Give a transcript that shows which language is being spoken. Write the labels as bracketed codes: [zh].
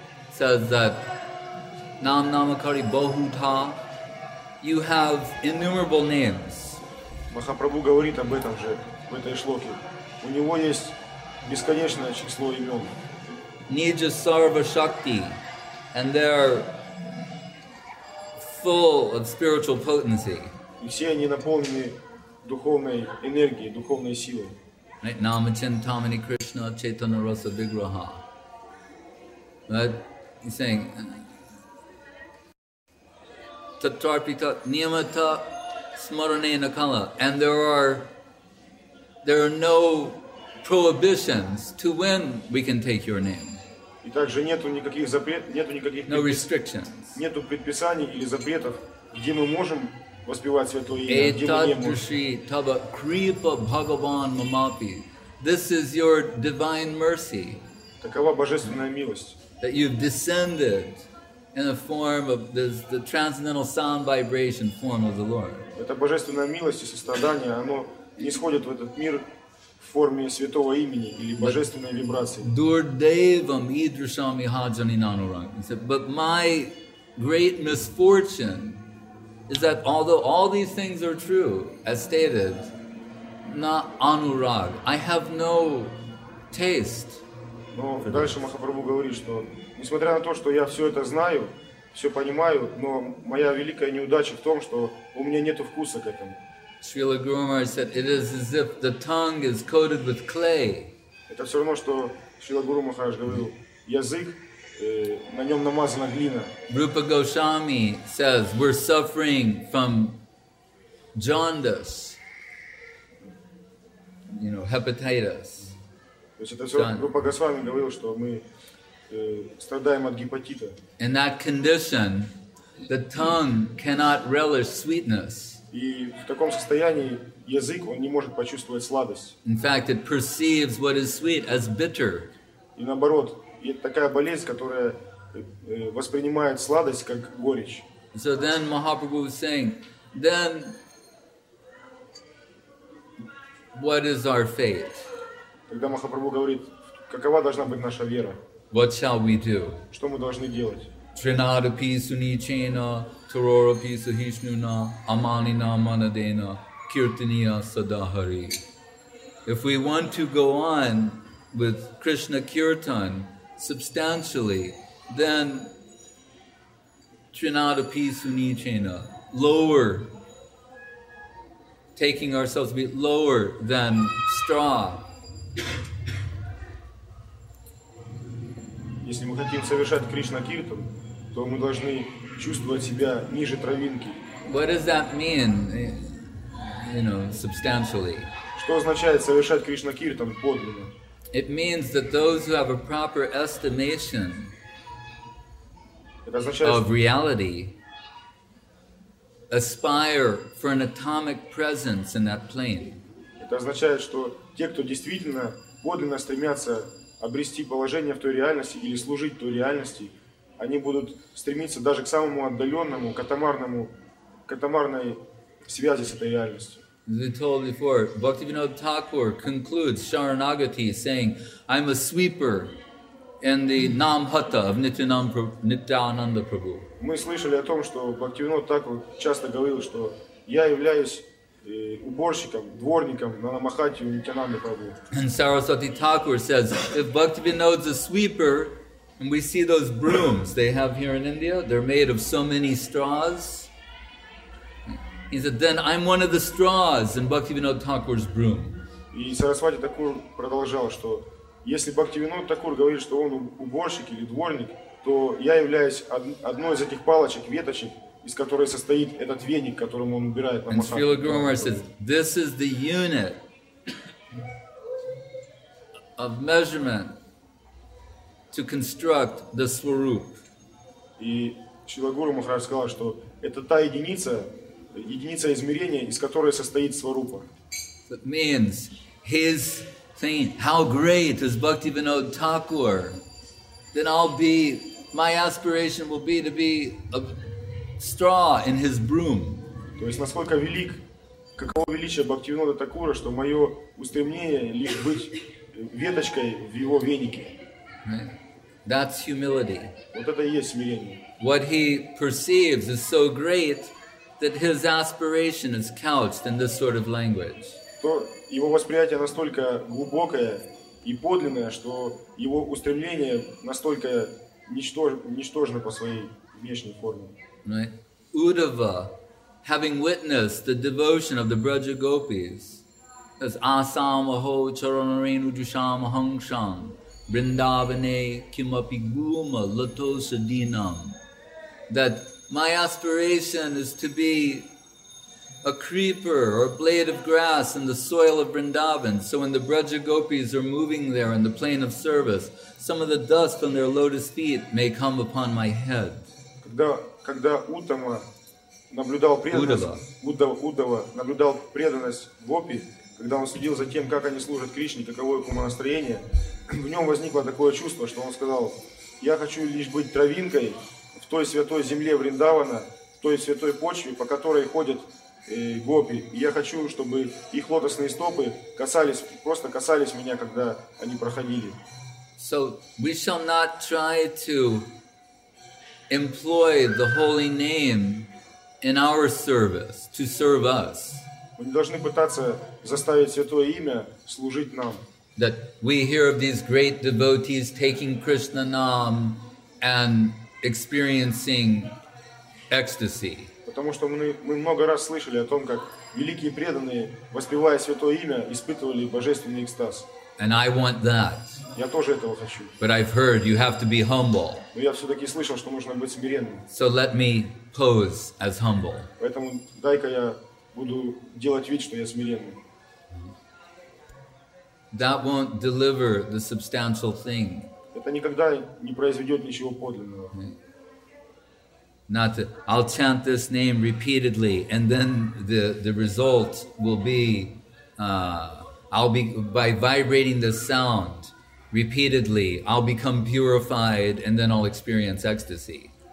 [en] Says that [sa] Nam Namakari Bahuta, [en] you have innumerable names. [ru] Махапрабху говорит об этом же, в этой шлоке. У него есть бесконечное число имен. [sa] Nija Sarva Shakti. [en] And they're full of spiritual potency. [ru] Все они наполнены духовной энергией, духовной силой. [sa] Nama Chintamani Krishna Chaitanya Rasa Vigraha. [en] But he's saying [sa] Tatarpita Niyamata Smarane Nakala. [en] And there are no prohibitions to when we can take your name. [ru] И также нету никаких запретов, нету никаких нету предписаний или запретов, где мы можем воспевать святое имя, где мы не можем. [sa] Tava kripa Bhagavan mamapi. [en] This is your divine mercy. [ru] Такова божественная милость. [en] That you've descended in the form of the transcendental sound vibration form of the Lord. [ru] Это божественная милость и сострадание, оно нисходит в этот мир в форме святого имени или божественной вибрации. [sa] Дурдевам идрушами хаджани нануранг. [en] He said, but my great misfortune is that although all these things are true, as stated, [sa] на анураг. [en] I have no taste. [ru] Но дальше Махапрабху говорит, что несмотря на то, что я все это знаю, все понимаю, но моя великая неудача в том, что у меня нету вкуса к этому. [en] Srila Guru Maharaj said, it is as if the tongue is coated with clay. [ru] Это все равно, что Srila Guru Maharaj говорил, язык, на нем намазана глина. [en] Rupa Goswami says, we're suffering from jaundice, you know, hepatitis. [ru] То есть это все, Rupa Goswami говорил, что мы страдаем от гепатита. [en] In that condition, the tongue cannot relish sweetness. [ru] И в таком состоянии язык, он не может почувствовать сладость. [en] In fact, it perceives what is sweet as bitter. [ru] И наоборот, это такая болезнь, которая воспринимает сладость как горечь. [en] So then Mahaprabhu was saying, then what is our fate? [ru] Тогда Махапрабху говорит, какова должна быть наша вера? [en] What shall we do? [ru] Что мы должны делать? [sa] Trinadapi sunichena, tororapi sahishnuna, amanina manadena, kirtaniya sadahari. [en] If we want to go on with Krishna kirtan substantially, then [sa] trinadapi sunichena, [en] lower, taking ourselves to be lower than straw. [ru] Если мы хотим совершать Кришна киртан, то мы должны чувствовать себя ниже травинки. [en] What does that mean, you know, substantially? [ru] Что означает совершать Кришна киртан подлинно? [en] It means that those who have a proper estimation of reality aspire for an atomic presence in that plane. [ru] Это означает, что те, кто действительно подлинно стремятся обрести положение в той реальности или служить той реальности, они будут стремиться даже к самому отдаленному, катамарной связи с этой реальностью. [en] As we told before, Bhaktivinoda Thakur concludes Sharanagati saying, I'm a sweeper in the Namhata of Nityananda Prabhu. [ru] Мы слышали о том, что Бхактивинода Такур часто говорил, что я являюсь уборщиком, дворником на Намахате у Нитянанды Прабху. [en] And Saraswati Thakur says, if Bhaktivinoda is a sweeper, and we see those brooms they have here in India, they're made of so many straws. He said, then I'm one of the straws in Bhaktivinoda Thakur's broom. [ru] И Сарасвати Такур продолжал, что если Бхактивинода Такур говорит, что он уборщик или дворник, то я являюсь одной из этих палочек, веточек, из которой состоит этот веник, которым он убирает на махат. [en] Srila Guru Maharaj says, this is the unit of measurement to construct the swarup. [ru] И Srila Guru Maharaj сказал, что это та единица, единица измерения, из которой состоит сварупа. [en] That means his saying, how great is Bhaktivinoda Thakur, then I'll be, my aspiration will be to be a straw in his broom. [ru] То есть насколько велик, каково величие Бхактивинода Такура, что мое устремление лишь быть веточкой в его венике. [en] That's humility. [ru] Вот это и есть смирение. [en] What he perceives is so great that his aspiration is couched in this sort of language. [ru] То его восприятие настолько глубокое и подлинное, что его устремление настолько ничтожно по своей внешней форме. [en] Right. Uddhava, having witnessed the devotion of the Braja Gopis, as [sa] Asam Aho Charanarenu Dusham Hangsham, Vrindavane Kimapi Guma Latosa Dinam, [en] that my aspiration is to be a creeper or a blade of grass in the soil of Vrindavan. So when the Braja Gopis are moving there in the plane of service, some of the dust on their lotus feet may come upon my head. [ru] Когда Уттама наблюдал преданность, Уддава наблюдал преданность Гопи, когда он следил за тем, как они служат Кришне, каково их умонастроение, в нем возникло такое чувство, что он сказал, я хочу лишь быть травинкой в той святой земле Вриндавана, в той святой почве, по которой ходят Гопи. И я хочу, чтобы их лотосные стопы просто касались меня, когда они проходили. [en] So we shall not try to employ the holy name in our service to serve us. [ru] Мы не должны пытаться заставить Святое Имя служить нам. [en] That we hear of these great devotees taking Krishna Nam and experiencing ecstasy. [ru] Потому что мы много раз слышали о том, как великие преданные, воспевая Святое Имя, испытывали божественный экстаз. [en] And I want that. [ru] Я тоже этого хочу. [en] But I've heard you have to be humble. [ru] Но я все-таки слышал, что нужно быть смиренным. [en] So let me pose as humble. [ru] Поэтому дай-ка я буду делать вид, что я смиренный. [en] That won't deliver the substantial thing. [ru] Это никогда не произведет ничего подлинного. [en] Not to, I'll chant this name repeatedly, and then the result will be I'll be by vibrating the sound repeatedly, I'll become purified, and then I'll experience ecstasy.